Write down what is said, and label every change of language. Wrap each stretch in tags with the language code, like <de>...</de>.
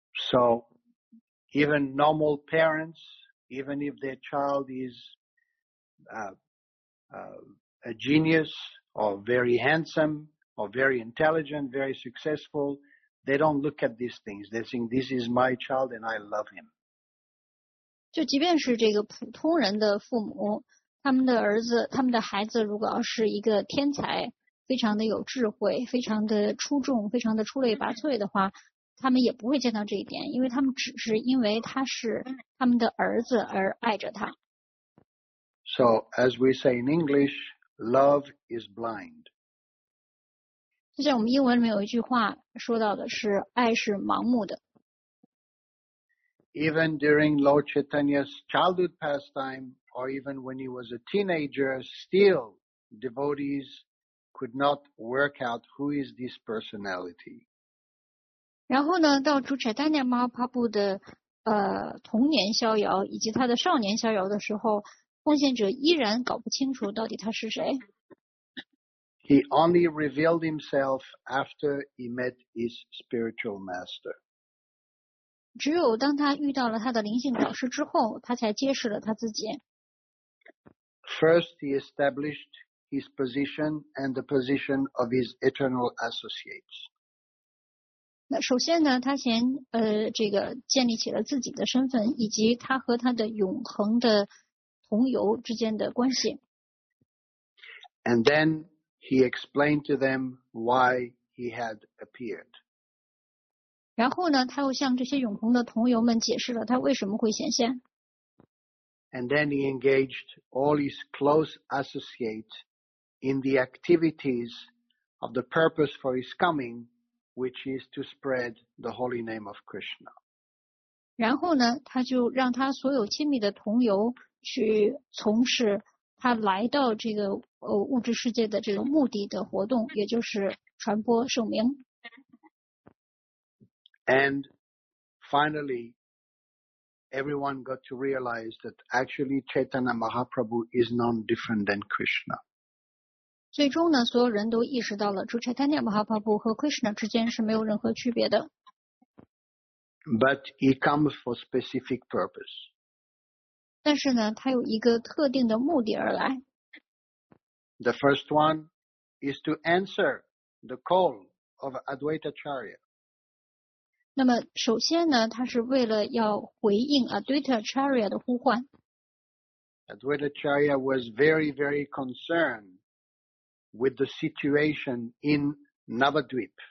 <en>So, even normal parents, even if their child is a genius or very handsome or very intelligent, very successful, they don't look at these things. They think this is my child and I love him.</en> <zh>就即便是这个普通人的父母。他们的儿子他们的孩子如果要是一个天才非常的有智慧非常的出众非常的出类拔萃的话他们也不会见到这一点因为他们只是因为他是他们的儿子而爱着他。</zh> <en>So, as we say in English, love is blind.</en> <zh>就像我们英文里面有一句话说到的是爱是盲目的。</zh> <en>Even during Lord Chaitanya's childhood pastime,or even when he was a teenager, still devotees could not work out who is this personality.</en> <zh>然后呢，到主 Chaitanya Mahaprabhu 的童年逍遥以及他的少年逍遥的时候，奉献者依然搞不清楚到底他是谁。</zh> <en>He only revealed himself after he met his spiritual master.</en> <zh>只有当他遇到了他的灵性导师之后，他才揭示了他自己。</zh> <en>First, he established his position and the position of his eternal associates.</en> <zh>那首先呢，他先这个建立起了自己的身份，以及他和他的永恒的同游之间的关系。</zh> <en>And then he explained to them why he had appeared.</en> <zh>然后呢，他又向这些永恒的同游们解释了他为什么会显现。</zh> <en>And then he engaged all his close associates in the activities of the purpose for his coming, which is to spread the holy name of Krishna.</en> <zh>然后呢，他就让他所有亲密的同游去从事他来到这个物质世界的这个目的的活动，也就是传播圣名。</zh> <en>And finally, everyone got to realize that actually Chaitanya Mahaprabhu is none different than Krishna.</en> <zh>最终呢，所有人都意识到了，主 Chaitanya Mahaprabhu 和 Krishna 之间是没有任何区别的。</zh> <en>But he comes for specific purpose.</en> <zh>但是呢，他有一个特定的目的而来。</zh> <en>The first one is to answer the call of Advaita Acharya.</en> <zh>那么首先呢，他是为了要回应 Advaita Acharya 的呼唤。</zh> <en>Advaita Acharya was very, very concerned with the situation in Navadvip.</en>